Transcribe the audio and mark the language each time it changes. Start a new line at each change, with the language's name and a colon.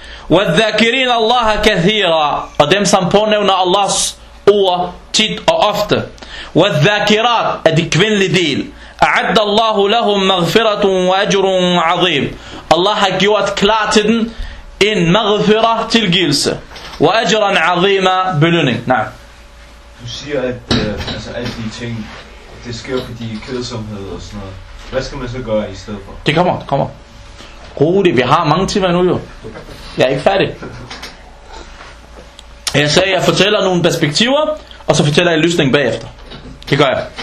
Arabic: وَالذَّاكِرِينَ اللَّهَ كَثِيرًا,
Danish: og dem som pånævner Allahs ord tit og ofte.
Arabic: وَالذَّاكِرَاتِ,
Danish: er de kvindelige del.
Arabic: أَعَدَّ اللَّهُ لَهُمْ مَغْفِرَةٌ وَأَجْرٌ عَظِيمٌ,
Danish: Allah har gjort klar til den en maghfira, tilgivelse.
Arabic: وَأَجْرًا عَظِيمًا, belønning.
Danish: Du siger, at altså alle de ting, det sker fordi kedsomhed og sådan noget. Hvad skal man så gøre i stedet for? Det kommer, det kommer. Rolig, vi har mange timer nu jo. Jeg er ikke færdig. Jeg sagde, jeg fortæller nogle perspektiver, og så fortæller jeg løsningen bagefter. Det gør jeg.